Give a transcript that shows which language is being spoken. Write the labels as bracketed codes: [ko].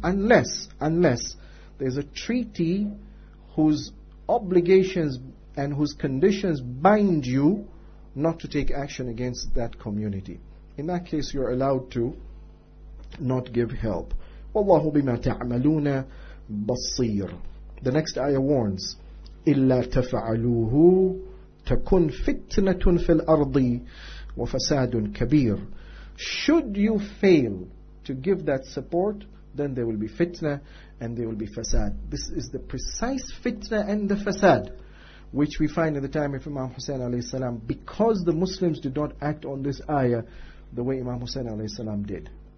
[en] Unless there's a treaty whose obligations and whose conditions bind you not to take action against that community. In that case, you're allowed to not give help. [ar] وَاللَّهُ بِمَا تَعْمَلُونَ بَصِيرٌ. [en] The next ayah warns, [ar] إِلَّا تَفَعَلُوهُ تَكُنْ فِتْنَةٌ فِي الْأَرْضِ وَفَسَادٌ كَبِيرٌ. [en] Should you fail to give that support, then there will be fitna and there will be fasad. This is the precise fitna and the fasad which we find in the time of Imam Hussein alayhi salam, because the Muslims did not act on this ayah the way Imam Hussein alayhi salam did.